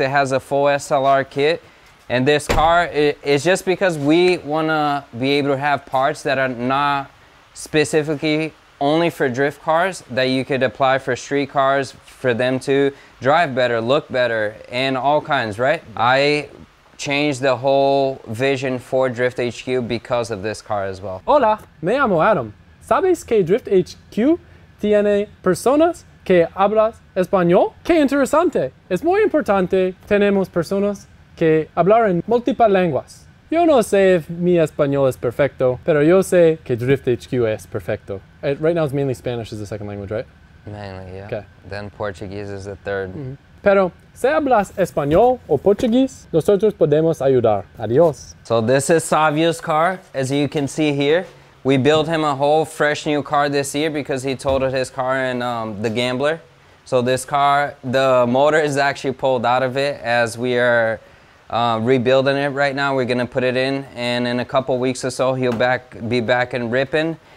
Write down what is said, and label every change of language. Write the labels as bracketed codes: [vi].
[en] It has a full SLR kit. And this car is just because we wanna be able to have parts that are not specifically only for drift cars that you could apply for street cars for them to drive better, look better, and all kinds, right? I changed the whole vision for Drift HQ because of this car as well. [es] Hola, me llamo Adam. ¿Sabes que Drift HQ tiene personas que hablas español? ¡Qué interesante! Es muy importante tenemos personas que hablar en múltiples lenguas. Yo no sé [en] if [es] mi español es perfecto, pero yo sé que Drift HQ es perfecto. [en] Right now it's mainly Spanish as the second language, right? Mainly, yeah. Okay. Then Portuguese is the third. Mm-hmm. [es] Pero, si hablas español o portugués, nosotros podemos ayudar. Adiós. [en] So this is Savio's car, as you can see here. We built him a whole fresh new car this year because he totaled his car in the Gambler. So this car, the motor is actually pulled out of it as we are rebuilding it right now. We're gonna put it in, and in a couple weeks or so, he'll be back and ripping.